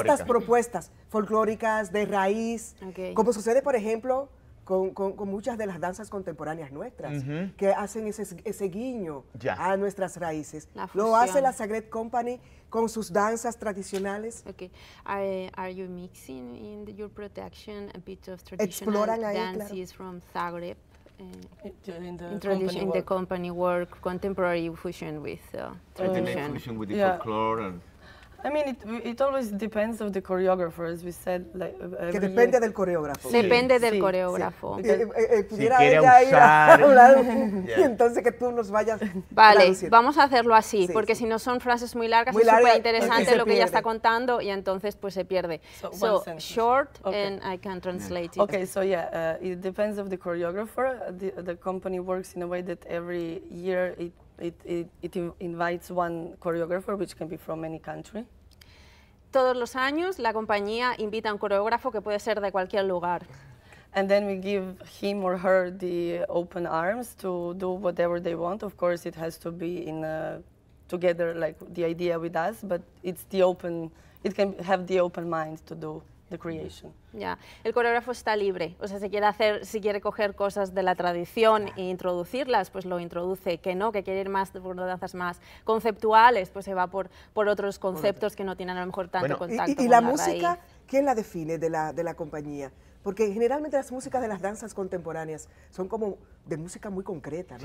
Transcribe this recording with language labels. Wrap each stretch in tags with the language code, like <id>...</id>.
<es>en estas propuestas folclóricas de raíz, como sucede, por ejemplo, con muchas de las danzas contemporáneas nuestras, uh-huh, que hacen ese guiño a nuestras raíces. ¿Lo hace la Zagreb Company con sus danzas tradicionales?</es> <en>Okay. Are you mixing in your production a bit of traditional dances from Zagreb? In the company work, contemporary fusion with tradition. Fusion with the folklore. And I mean, it always depends of the choreographer, as we said. Like,</en> <es>que depende del coreógrafo. Sí. Depende del coreógrafo. Pudiera ella ir a un lado, entonces que tú nos vayas. Vale, vamos a hacerlo así, porque si no son frases muy largas, muy es súper interesante lo que ella está contando, y entonces pues se pierde.</es> <en>So short, and I can translate it. Okay, so it depends of the choreographer. The company works in a way that every year it invites one choreographer, which can be from any country. Todos los años la compañía invita a un coreógrafo que puede ser de cualquier lugar. And then we give him or her the open arms to do whatever they want. Of course, it has to be in together, like the idea with us, but it's the open, it can have the open mind to do. the creation.</en> <es>Yeah, el coreógrafo está libre. O sea, si quiere hacer, si quiere coger cosas de la tradición e introducirlas, pues lo introduce. Que no, que quiere ir más por danzas más conceptuales, pues se va por otros conceptos que no tienen a lo mejor tanto contacto. Y la música, ¿quién la define de la compañía? Porque generalmente las músicas de las danzas contemporáneas son como de música muy concreta, ¿no?</es>